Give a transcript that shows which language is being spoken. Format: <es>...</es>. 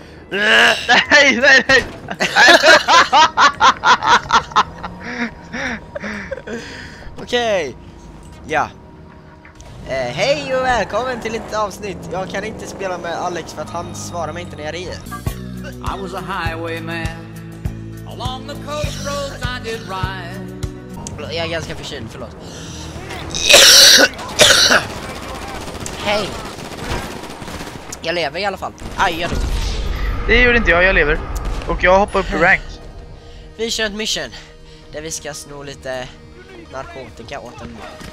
<sv>Nej, nej, nej! Okej, okay. Ja. Hej och välkommen till ett avsnitt. Jag kan inte spela med Alex för att han svarar mig inte när jag ringer.</sv> <en>I was a highwayman. Along the coast roads I did ride.</en> <sv>Jag är ganska förkyld, förlåt. Hej. Jag lever i alla fall. Aj, jag dör. Det gör inte jag, jag lever. Och jag hoppar upp i rank. Vi kör ett mission där vi ska sno lite narkotika åt en man.</sv>